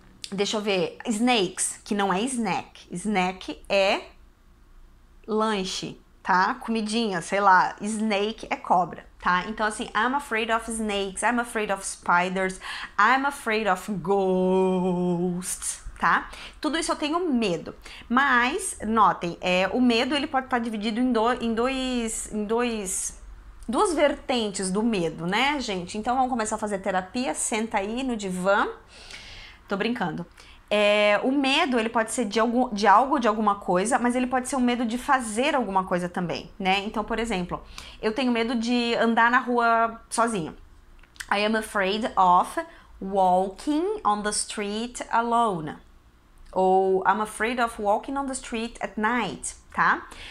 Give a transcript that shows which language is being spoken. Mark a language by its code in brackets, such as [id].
[pt] Deixa eu ver, snakes, que não é snack, snack é lanche, tá? Comidinha, sei lá, snake é cobra, tá? Então assim, [en] I'm afraid of snakes, I'm afraid of spiders, I'm afraid of ghosts, tá? [pt] Tudo isso eu tenho medo, mas notem, o medo ele pode estar dividido em duas vertentes do medo, né gente? Então vamos começar a fazer terapia, senta aí no divã. Tô brincando. O medo, ele pode ser de alguma coisa, mas ele pode ser um medo de fazer alguma coisa também, né? Então, por exemplo, eu tenho medo de andar na rua sozinho. [en] I am afraid of walking on the street alone. Ou I'm afraid of walking on the street at night, tá?